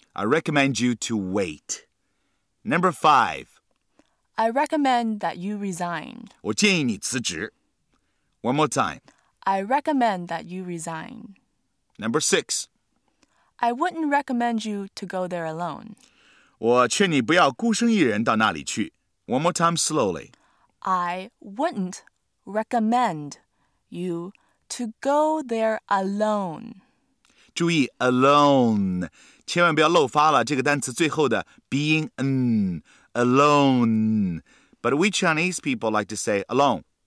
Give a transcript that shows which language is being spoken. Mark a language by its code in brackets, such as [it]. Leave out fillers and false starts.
[en] I recommend you to wait. Number 5. I recommend that you resign. [zh] 我建议你辞职。 [en] One more time. I recommend that you resign. Number 6. I wouldn't recommend you to go there alone. [zh] 我劝你不要孤身一人到那里去。 [en] One more time slowly. I wouldn't recommend you to go there alone. [zh] 注意 alone, 千万不要漏发了这个单词最后的 [en] being an, alone. But we Chinese people like to say alone.